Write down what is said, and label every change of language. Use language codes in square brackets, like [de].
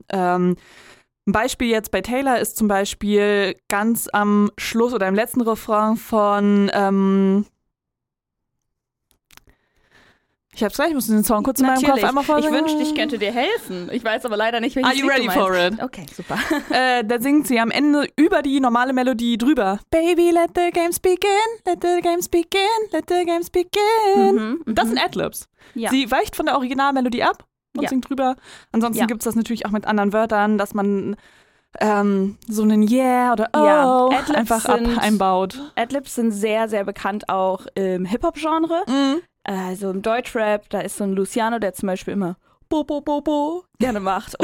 [de] Ein Beispiel jetzt bei Taylor ist zum Beispiel ganz am Schluss oder im letzten Refrain von ich hab's gleich, ich muss den Song kurz in meinem Kopf einmal vorsingen. Ich wünschte, ich könnte dir helfen. Ich weiß aber leider nicht, welches Lied du meinst. Are you ready for it? Okay, super. Da singt sie am Ende über die normale Melodie drüber. [en] Baby, let the games begin, let the games begin, let the games begin. [de] Mhm, das sind Adlibs. Ja. Sie weicht von der Originalmelodie ab. Und singt drüber. Ansonsten gibt es das natürlich auch mit anderen Wörtern, dass man so einen Yeah oder Oh einfach einbaut. Adlibs sind sehr, sehr bekannt auch im Hip-Hop-Genre. Mhm. Also im Deutschrap, da ist so ein Luciano, der zum Beispiel immer Bo-Bo-Bo-Bo gerne macht.